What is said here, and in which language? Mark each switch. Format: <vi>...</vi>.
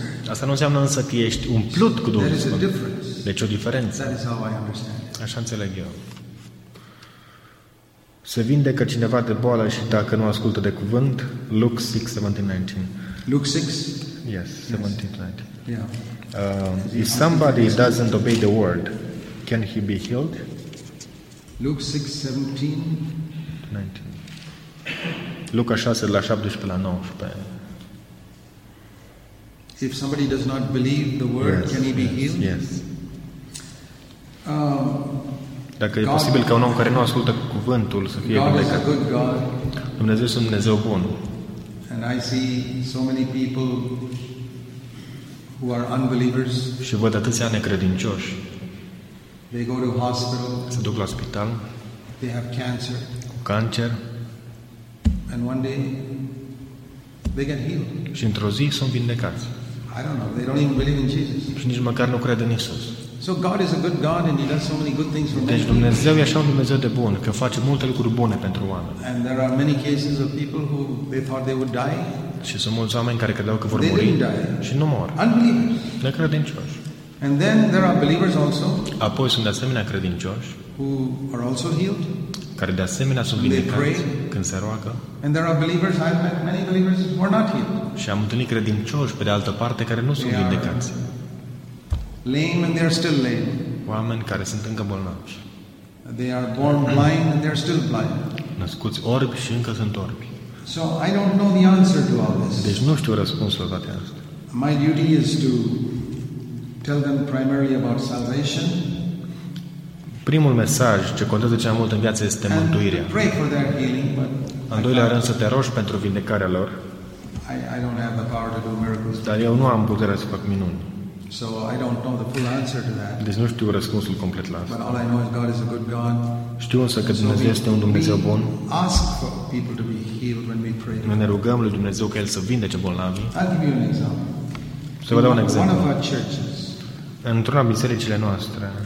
<ro>Asta nu înseamnă însă că ești umplut cu Duhul Sfânt. Deci o diferență. Așa înțeleg eu. Se vindecă cineva de boală și dacă nu ascultă de cuvânt, Luke 6:17-19.</ro> <en>Luke 6? Yes, 17-19. Yeah. If somebody doesn't obey the word, can he be healed? Luke 6:17-19.</en> <ro>Luca 6:17-19.</ro> <en>If somebody does not believe the word, yes, can he be healed? Yes.</en> <ro>Dacă e posibil ca un om care nu ascultă cuvântul să fie vindecat. Dumnezeu este un Dumnezeu bun.</ro> <en>And I see so many people who are unbelievers.</en> <ro>Și văd atâția necredincioși.</ro> <en>They go to hospital.</en> <ro>Se duc la spital.</ro> <en>They have cancer.</en> <ro>Cu cancer.</ro> <en>And one day they get healed.</en> <ro>Și într-o zi sunt vindecați.</ro> <en>I don't know. They don't even believe in Jesus.</en> <ro>Și nici măcar nu cred în Isus.</ro> <en>So God is a good God and he does so many good things for people.</en> <ro>Deci Dumnezeu e așa un Dumnezeu de bun, că face multe lucruri bune pentru oameni.</ro> <en>And there are many cases of people who they thought they would die.</en> <ro>Și sunt mulți oameni care credeau că vor muri și nu mor.</ro> <en>Unbelievers.</en> <ro>Necredincioși.</ro> <en>And then there are believers also.</en> <ro>Apoi sunt de asemenea credincioși.</ro> <en>Who are also healed.</en> <ro>Care de asemenea sunt vindecați când se roagă.</ro> <en>And there are believers, I've met many believers who are not healed.</en> <ro>Și am întâlnit credincioși pe de altă parte care nu sunt vindecați.</ro> <en>Lame and they are still lame.</en> <ro>Oameni care sunt încă bolnavi.</ro> <en>They are born blind and they are still blind.</en> <ro>Născuți orbi și încă sunt orbi.</ro> <en>So I don't know the answer to all this.</en> <ro>Deci nu știu răspunsul la toate astea.</ro> <en>My duty is to tell them primarily about salvation.</en> <ro>Primul mesaj ce contează cel mai mult în viață este mântuirea.</ro> <en>Pray for their healing, but</en> <ro>în doilea rând să te rogi pentru vindecarea lor.</ro> <en>I don't have the power to do miracles.</en> <ro>Dar eu nu am puterea să fac minuni.</ro> <en>So I don't know the full answer to that.</en> <ro>Deci nu știu răspunsul complet la asta.</ro> <en>But all I know is God is a good God.</en> <ro>Știu însă că Dumnezeu este un Dumnezeu bun.</ro> <en>Ask for people to be healed when we pray.</en> <ro>Noi ne rugăm lui Dumnezeu ca El să vindece bolnavii.</ro> <en>I'll give you an example.</en> <ro>Să vă dau un exemplu.</ro> <en>One of our churches.</en> <ro>Într-una bisericile noastre.</ro>